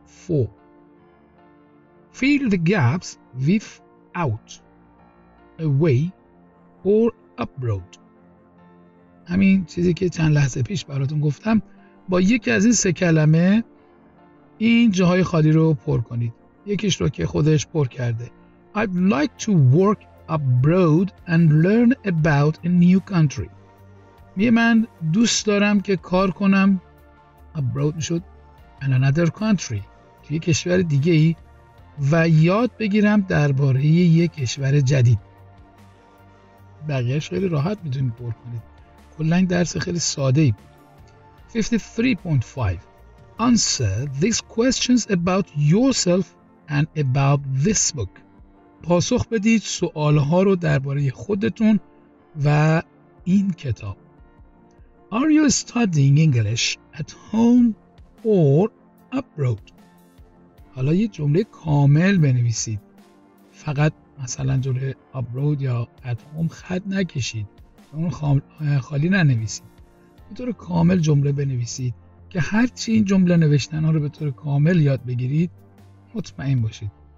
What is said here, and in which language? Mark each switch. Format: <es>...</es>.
<en>53.4 Fill the gaps with out, away or abroad.</en> <fa>همین چیزی که چند لحظه پیش براتون گفتم، با یکی از این سه کلمه این جاهای خالی رو پر کنید. یکیش رو که خودش پر کرده.</fa> <en>I'd like to work abroad and learn about a new country.</en> <fa>میگه من دوست دارم که کار کنم abroad میشد</fa> <en>in another country،</en> <fa>توی یک کشور دیگه ای، و یاد بگیرم درباره یک کشور جدید. بقیهش خیلی راحت میتونید پر کنید. کلاً درس خیلی ساده ای بود.</fa> <en>53.5 Answer these questions about yourself and about this book.</en> <fa>پاسخ بدید سوالها رو درباره خودتون و این کتاب.</fa> <en>Are you studying English at home or abroad?</en> <fa>حالا یه جمله کامل بنویسید. فقط مثلا جمله abroad یا</fa> <en>at home</en> <fa>خط نکشید. اون خالی ننویسید. به طور کامل جمله بنویسید که هرچی این جمله نوشتن ها رو به طور کامل یاد بگیرید مطمئن باشید.</fa>